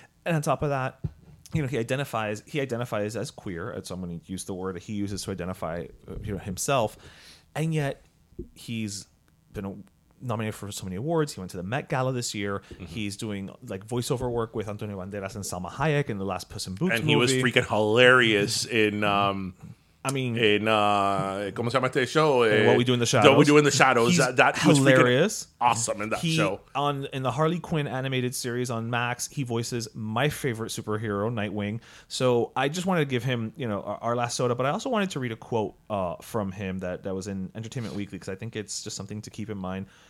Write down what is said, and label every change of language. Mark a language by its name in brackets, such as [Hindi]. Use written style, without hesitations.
[English] And on top of that, you know, he identifies as queer, so I'm going to use the word that he uses to identify, you know, himself, and yet he's been nominated for so many awards. He went to the Met Gala this year. Mm-hmm. He's doing like voiceover work with Antonio Banderas and Salma Hayek in the last Puss in Boots and movie. He was freaking hilarious in I mean, [Spanish] in ¿cómo se llama este show? [English] What We Do in the Shadows. What We Do in the Shadows. He's that was hilarious. Awesome in that show. In the Harley Quinn animated series on Max, he voices my favorite superhero, Nightwing. So I just wanted to give him, you know, our last soda, but I also wanted to read a quote from him that was in Entertainment Weekly because I think it's just something to keep in mind.